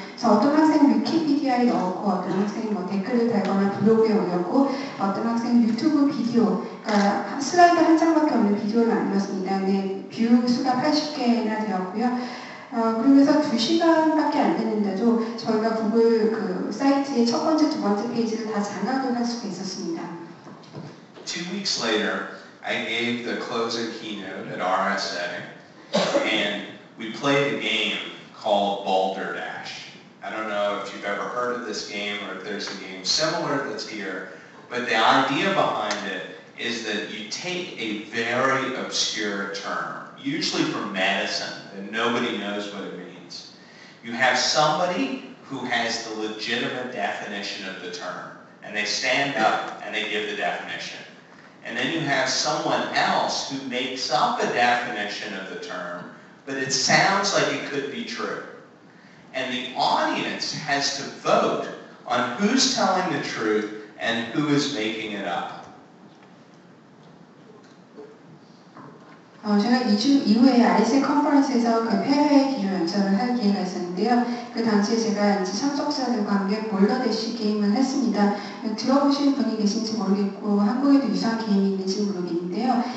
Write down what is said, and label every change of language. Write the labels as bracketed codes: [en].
[ko] 그래서 어떤 학생은 위키피디아에 넣었고 어떤 학생은 뭐 댓글을 달거나 블로그에 올렸고 어떤 학생은 유튜브 비디오, 그러니까 슬라이드 한 장밖에 없는 비디오를 만들었습니다. 근데 뷰 수가 80개나 되었고요. 그러면서 2시간밖에 안 됐는데도 저희가 구글 그 사이트의 첫 번째, 두 번째 페이지를 다 장악을 할 수가 있었습니다. [en] 2 weeks later, I gave the closing keynote at RSA, and we played a game called Balderdash. I don't know if you've ever heard of this game or if there's a game similar that's here, but the idea behind it is that you take a very obscure term, usually from medicine, and nobody knows what it means. You have somebody who has the legitimate definition of the term, and they stand up and they give the definition. And then you have someone else who makes up a definition of the term, but it sounds like it could be true. And the audience has to vote on who's telling the truth and who is making it up. [ko] 제가 2주 이후에 RSA 컨퍼런스에서 그 폐회 기조 연설을 할 기회가 있었는데요. 그 당시에 제가 이제 참석자들과 함께 볼러대쉬 게임을 했습니다. 들어보신 분이 계신지 모르겠고 한국에도 유사한 게임이 있는지 모르겠는데요.